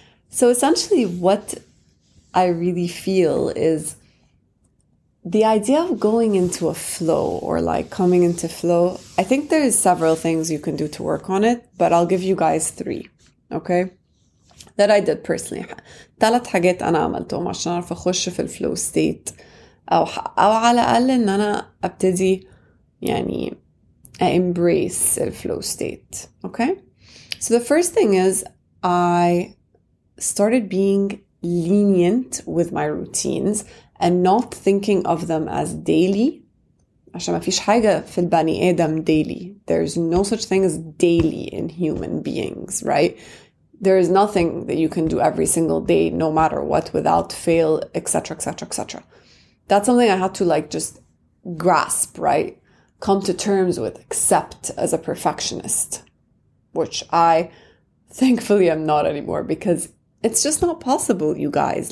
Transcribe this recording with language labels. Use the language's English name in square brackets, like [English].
[English] So essentially what I really feel is the idea of going into a flow or like coming into flow, I think there is several things you can do to work on it, but I'll give you guys three, okay? That I did personally. [Arabic] ثلاث حاجات أنا عملتهم عشان أعرف أخش في الفلو ستيت أو على الأقل إن أنا أبتدي يعني [English] embrace the flow state, okay? So the first thing is I started being lenient with my routines and not thinking of them as daily. [Arabic] عشان ما فيش حاجة في البني آدم daily. [English] There's no such thing as daily in human beings, right? There is nothing that you can do every single day, no matter what, without fail, etc., etc., etc. That's something I had to like just grasp, right? Come to terms with, accept as a perfectionist, which I thankfully am not anymore because it's just not possible, you guys.